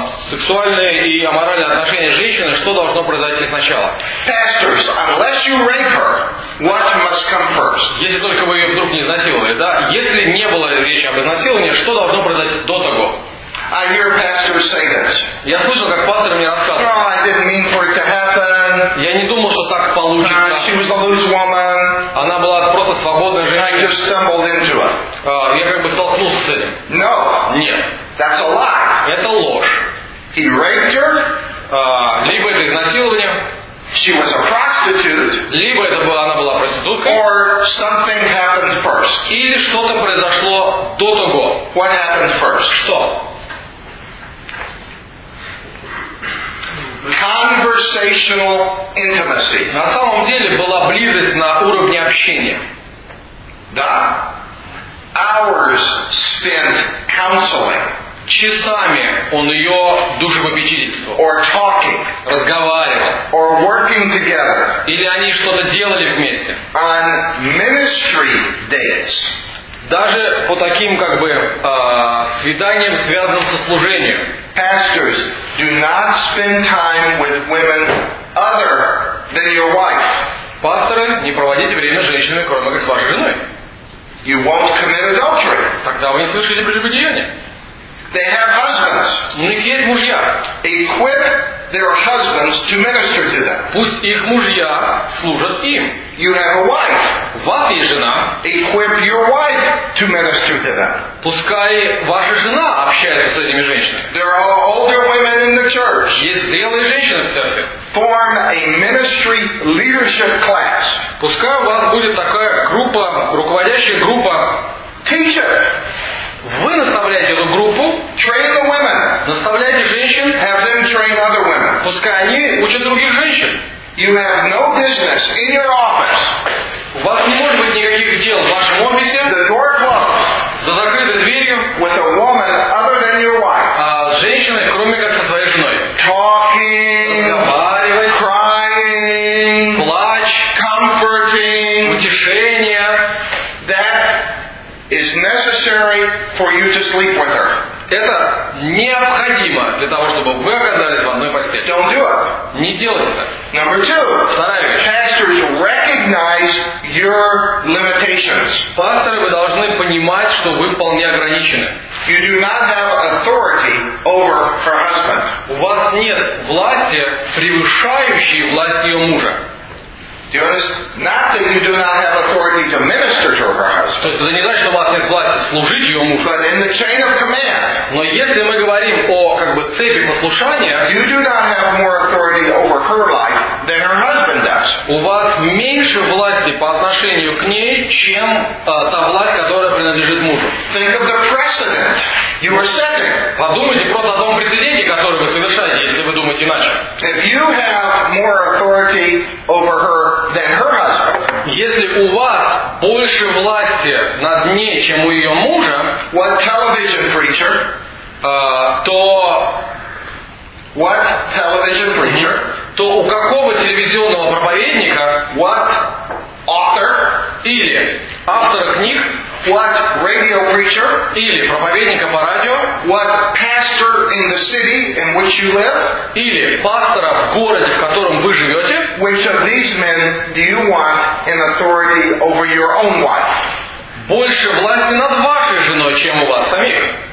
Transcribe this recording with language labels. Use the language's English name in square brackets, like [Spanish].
[Russian] сексуальные и аморальные отношения с женщиной, что должно произойти сначала? [English] Pastors, unless you rape her, what must come first? [Russian] Если только вы ее вдруг не изнасиловали, да? Если не было речи об изнасиловании, что должно произойти до того? [English] I hear pastors say this. [Russian] Я слышал, как пастор мне рассказывал. [English] No, I didn't mean for it to happen. [Russian] Я не думал, что так получится. [English] She was a loose woman. [Russian] Она была просто свободная женщина. [English] I just stumbled into it. [Russian] Я как бы столкнулся с этим. [English] No. [Russian] Нет. [English] That's a lie. [Russian] Это ложь. [English] He raped her. [Russian] Либо это изнасилование. [English] She was a prostitute. [Russian] Либо это была, она была проституткой. [English] Or something happened first. [Russian] Или что-то произошло до того. [English] What happened first? [Russian] Что? [English] Conversational intimacy. [Russian] На самом деле была близость на уровне общения. Да. [English] Hours spent counseling. [Russian] Часами он ее душепопечительствовал. [English] Or talking. [Russian] Разговаривал. [English] Or working together. [Russian] Или они что-то делали вместе. [English] On ministry dates. [Russian] Даже по таким как бы свиданиям, связанным со служением. [English] Pastors, do not spend time with women other than your wife. [Russian] Пасторы, не проводите время с женщинами, кроме как с вашей женой. [English] You won't commit adultery. [Russian] Тогда вы не совершите прелюбодеяние. [English] They have husbands. [Russian] У них есть мужья. [English] Equip their husbands to minister to them. [Russian] Пусть их мужья служат им. [English] You have a wife. [Russian] У вас есть жена. [English] Equip your wife to minister to them. [Russian] Пускай ваша жена общается с этими женщинами. [English] There are older women in the church. [Russian] Есть зрелые женщины в церкви. [English] Form a ministry leadership class. [Russian] Пускай у вас будет такая группа, руководящая группа. [English] Teach it. [Russian] Вы наставляете эту группу. [English] Train the women. [Russian] Наставляете женщин. [English] Have them train other women. [Russian] Пускай они учат других женщин. [English] You have no business in your office. [Russian] У вас не может быть никаких дел в вашем офисе. [English] The door closed. [Russian] За закрытой дверью. [English] With a woman other than your wife. [Russian] А с женщиной, кроме как со своей женой. [English] Talking. [Russian] Разговаривать. [English] Crying. [Russian] Плач. [English] Comforting. [Russian] Утешение. [English] That is necessary for you to sleep with her. [Russian] Это необходимо для того, чтобы вы оказались в одной постели. [English] Don't do it. [Russian] Не делайте это. [English] Number two. [Russian] Вторая вещь. [English] Pastors, recognize your limitations. [Russian] Пасторы, вы должны понимать, что вы вполне ограничены. [English] You do not have authority over her husband. [Russian] У вас нет власти, превышающей власть ее мужа. [English] Do you understand? Not that you do not have authority to minister to her husband. [Russian] Это не значит, что у вас нет власти служить ее мужу. [English] But in the chain of command. [Russian] Но если мы говорим о как бы цепи послушания, [English] you do not have more authority over her life than her husband does. [Russian] У вас меньше власти по отношению к ней, чем та власть, которая принадлежит мужу. [English] Think of the precedent you are setting. [Russian] Подумайте просто о том прецеденте, который вы совершаете, если вы думаете иначе. [English] If you have more authority over her than her husband. [Russian] Если у вас больше власти над ней, чем у ее мужа, [English] what television preacher? [Russian] То [English] what television preacher? [Russian] То у какого телевизионного проповедника, [English] what author? [Russian] Или автора книг, [English] what radio preacher? [Russian] Или проповедника по радио, [English] what pastor in the city in which you live? [Russian] Или пастора в городе, в котором вы живете? [English] Which of these men do you want in authority over your own wife? [Russian] Больше власти над вашей женой, чем у вас самих?